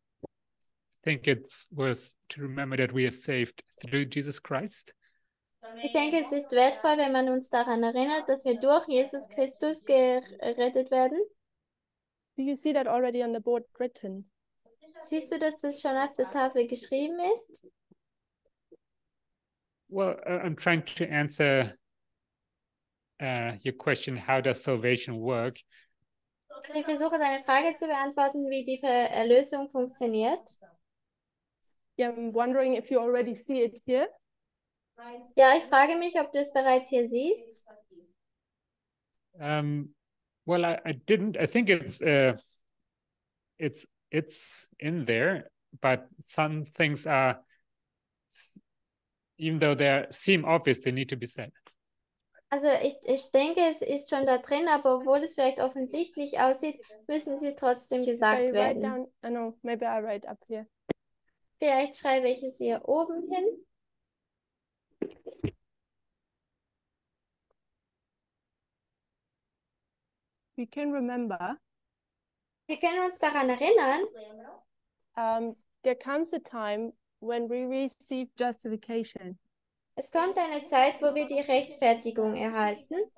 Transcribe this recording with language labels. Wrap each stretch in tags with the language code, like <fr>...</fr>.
<en>I think it's worth to remember that we are saved through Jesus Christ.</en> <de>Ich denke, es ist wertvoll, wenn man uns daran erinnert, dass wir durch Jesus Christus gerettet werden.</de> <en>Do you see that already on the board written?</en> <de>Siehst du, dass das schon auf der Tafel geschrieben ist?</de> <en>Well, I'm trying to answer your question, how does salvation work?</en> <de>Also ich versuche, deine Frage zu beantworten, wie die Erlösung funktioniert.</de> <en>Yeah, I'm wondering if you already see it here.</en> <de>Ja, ich frage mich, ob du es bereits hier siehst.</de> <en>Well, I didn't. I think it's in there, but some things are, even though they seem obvious, they need to be said.</en> <de>Also ich denke, es ist schon da drin, aber obwohl es vielleicht offensichtlich aussieht, müssen sie trotzdem gesagt werden.</de> <en>I know, maybe I write up here.</en> <de>Vielleicht schreibe ich es hier oben hin.</de> <en>We can remember.</en> <de>Wir können uns daran erinnern.</de> <en>There comes a time when we receive justification.</en> <de>Es kommt eine Zeit, wo wir die Rechtfertigung erhalten.</de>